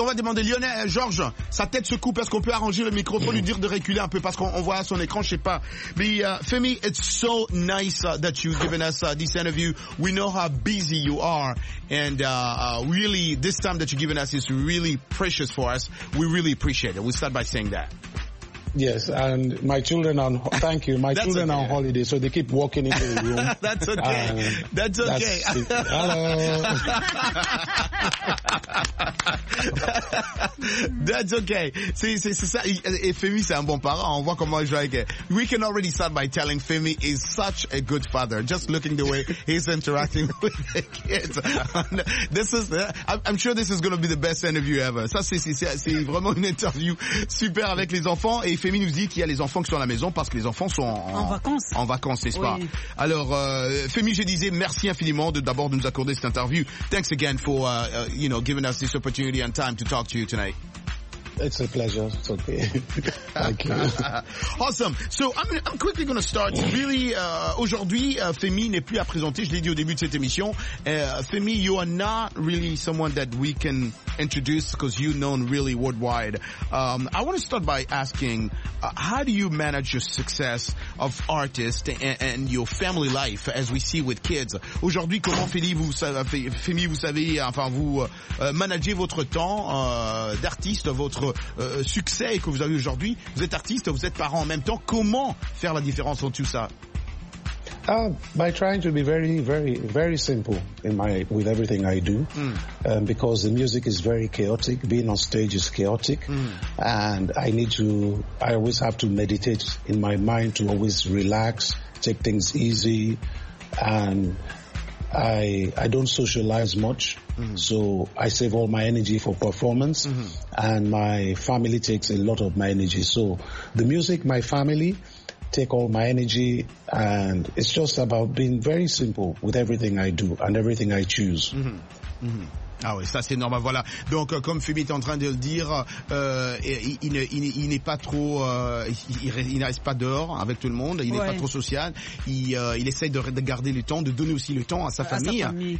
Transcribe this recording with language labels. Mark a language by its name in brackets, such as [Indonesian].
[French] On va demander Lionel, Georges, sa tête se coupe, est-ce qu'on peut arranger le micro pour lui dire de reculer un peu parce qu'on voit son écran, je sais pas. Mais [English] Femi, it's so nice that you've given us this interview. We know how busy you are and really this time that you've given us is really precious for us. We really appreciate it. We'll start by saying that. Yes, and my children are, thank you, my children okay. are on holiday, so they keep walking into the room. That's okay. Hello. That's okay. [French] C'est ça. Et Femi, c'est un bon parent. On voit comment je vais avec. [English] We can already start by telling Femi is such a good father. Just looking the way he's interacting with the kids. This is, I'm sure this is going to be the best interview ever. [French] Ça, c'est vraiment une interview super avec les enfants. Et Femi nous dit qu'il y a les enfants qui sont à la maison parce que les enfants sont en vacances, n'est-ce pas? Oui. Alors, Femi, je disais merci infiniment d'abord de nous accorder cette interview. [English] Thanks again for, you know, giving us this opportunity and time to talk to you tonight. It's a pleasure. It's okay. Thank you. Awesome. So I'm quickly going to start. Really, [French] aujourd'hui, Femi n'est plus à présenter. Je l'ai dit au début de cette émission. [English] Femi, you are not really someone that we can introduce because you're known really worldwide. I want to start by asking, how do you manage your success of artists and your family life as we see with kids? [French] Aujourd'hui, comment Femi, vous managez votre temps d'artiste, votre succès que vous avez aujourd'hui. Vous êtes artiste, vous êtes parent en même temps. Comment faire la différence entre tout ça? [English] By trying to be very, very, very simple with everything I do, because the music is very chaotic. Being on stage is chaotic, and I always have to meditate in my mind to always relax, take things easy, and I don't socialize much, so I save all my energy for performance, and my family takes a lot of my energy. So the music, my family take all my energy, and it's just about being very simple with everything I do and everything I choose. Mm-hmm. [French] Mm-hmm. Ah oui, ça c'est normal, voilà. Donc comme Femi est en train de le dire, il ne reste pas dehors avec tout le monde, il n'est pas trop social, il essaye de garder le temps, de donner aussi le temps à sa famille,